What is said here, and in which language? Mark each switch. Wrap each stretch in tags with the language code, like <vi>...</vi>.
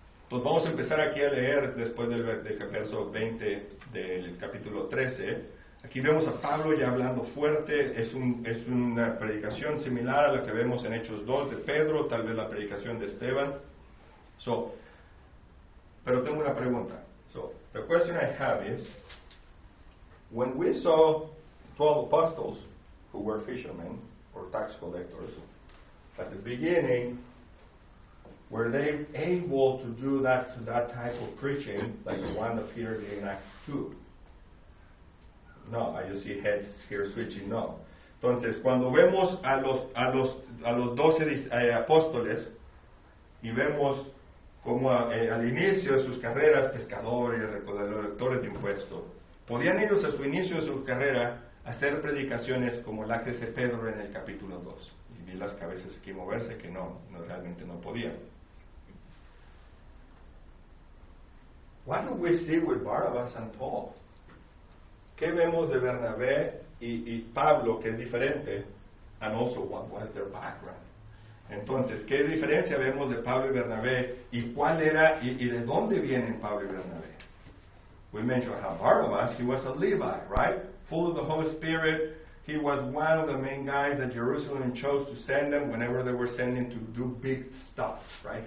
<es>Entonces vamos a empezar aquí a leer después del verso 20 del capítulo 13. Aquí vemos a Pablo ya hablando fuerte, es una predicación similar a la que vemos en Hechos 2 de Pedro, tal vez la predicación de Esteban. So, pero tengo una pregunta.</es> <en>So, the question I have is, when we saw 12 apostles who were fishermen or tax collectors, at the beginning, were they able to do that type of preaching like the one that Peter did in Acts 2? No, I just see heads here switching, no.</en> <es>Entonces, cuando vemos a los 12 apóstoles y vemos como al inicio de sus carreras, pescadores, recolectores de impuestos, ¿podían ellos a su inicio de su carrera hacer predicaciones como la que hace Pedro en el capítulo 2? Y vi las cabezas aquí moverse, que no, realmente no podían.</es> <en>What do we see with Barnabas and Paul?</en> <es>¿Qué vemos de Bernabé y Pablo que es diferente?</es> <en>And also, what was their background?</en> <es>Entonces, ¿qué diferencia vemos de Pablo y Bernabé? ¿Y cuál era y de dónde vienen Pablo y Bernabé?</es> <en>We mentioned how Barnabas, he was a Levite, right? Full of the Holy Spirit. He was one of the main guys that Jerusalem chose to send them whenever they were sending to do big stuff, right?</en>